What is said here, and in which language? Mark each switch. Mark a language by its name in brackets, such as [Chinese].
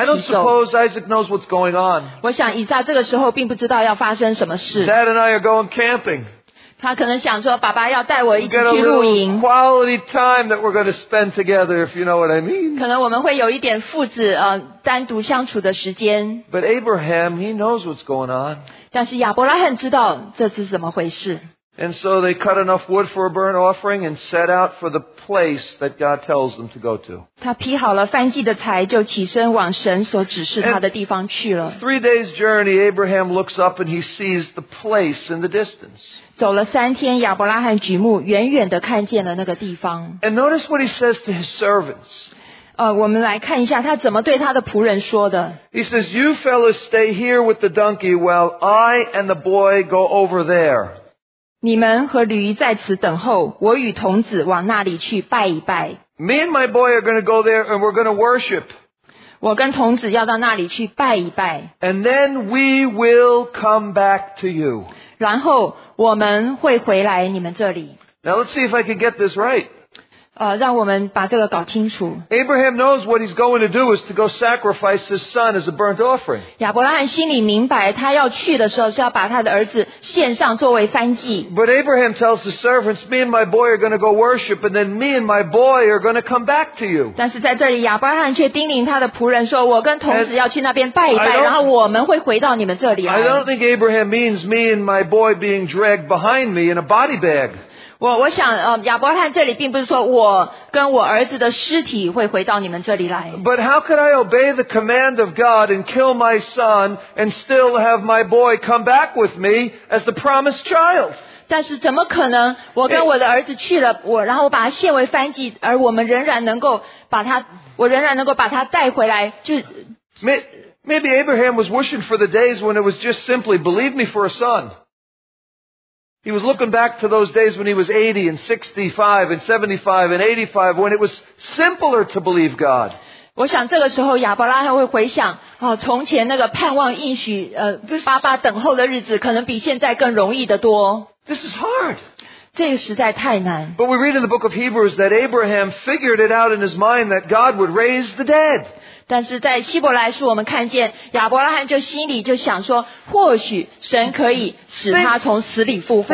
[English] I don't suppose Isaac knows what's going on. [Chinese] 我想以撒这个时候并不知道要发生什么事。 [English] Dad and I are going camping. [Chinese] 他可能想说爸爸要带我一起去露营。 [English] We've got a little quality time that we're going to spend together, if you know what I mean. [Chinese] 可能我们会有一点父子单独相处的时间。 [English] But Abraham, he knows what's going on. [Chinese] 但是亚伯拉罕知道这是怎么回事。 [English] And so they cut enough wood for a burnt offering and set out for the place that God tells them to go to. [Chinese] 他劈好了燔祭的柴，就起身往神所指示他的地方去了。 [English] 3 days journey, Abraham looks up and he sees the place in the distance. [Chinese] 走了三天，亚伯拉罕举目远远地看见了那个地方。 [English] And notice what he says to his servants. [Chinese] 我们来看一下他怎么对他的仆人说的。 [English] He says, "You fellows stay here with the donkey while I and the boy go over there." [Chinese] 你们和驴在此等候，我与童子往那里去拜一拜。 [English] Me and my boy are going to go there and we're going to worship. [Chinese] 我跟童子要到那里去拜一拜。 [English] And then we will come back to you. [Chinese] 然后我们会回来你们这里。 [English] Now let's see if I can get this right. [Chinese] 让我们把这个搞清楚。 [English] Abraham knows what he's going to do is to go sacrifice his son as a burnt offering. [Chinese] 亚伯拉罕心里明白他要去的时候是要把他的儿子献上作为燔祭。 [English] But Abraham tells his servants, me and my boy are going to go worship, and then me and my boy are going to come back to you. [Chinese] 但是在这里亚伯拉罕却叮咛他的仆人说我跟童子要去那边拜一拜然后我们会回到你们这里来。 [English] I don't think Abraham means me and my boy being dragged behind me in a body bag. [Chinese] 我想亚伯拉罕这里并不是说我跟我儿子的尸体会回到你们这里来。 [English] But how could I obey the command of God and kill my son and still have my boy come back with me as the promised child? [Chinese] 但是怎么可能我跟我的儿子去了我然后把他献为燔祭而我们仍然能够把他我仍然能够把他带回来就 [English] Maybe Abraham was wishing for the days when it was just simply believe me for a son. He was looking back to those days when he was 80 and 65 and 75 and 85 when it was simpler to believe God. [Chinese] 我想这个时候亚伯拉罕会回想从前那个盼望应许爸爸等候的日子可能比现在更容易得多。 [English] This is hard. [Chinese] 这个实在太难。 [English] But we read in the book of Hebrews that Abraham figured it out in his mind that God would raise the dead. [Chinese] 但是在希伯来书我们看见亚伯拉罕就心里就想说或许神可以使他从死里复活。